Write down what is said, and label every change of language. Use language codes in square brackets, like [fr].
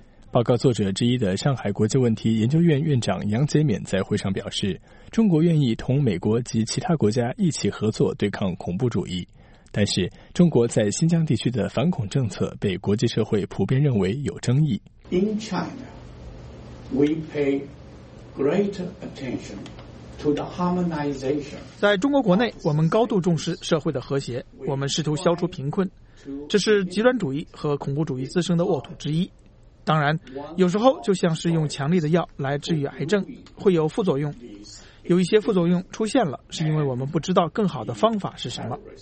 [zh] 报告作者之一的上海国际问题研究院院长杨洁敏在会上表示，中国愿意同美国及其他国家一起合作对抗恐怖主义，但是中国在新疆地区的反恐政策被国际社会普遍认为有争议。 [en] In China, we pay greater attention to the harmonization. [zh] 在中国国内，我们高度重视社会的和谐，我们试图消除贫困，这是极端主义和恐怖主义滋生的沃土之一。当然，有时候就像是用强力的药来治愈癌症，会有副作用。有一些副作用出现了，是因为我们不知道更好的方法是什么。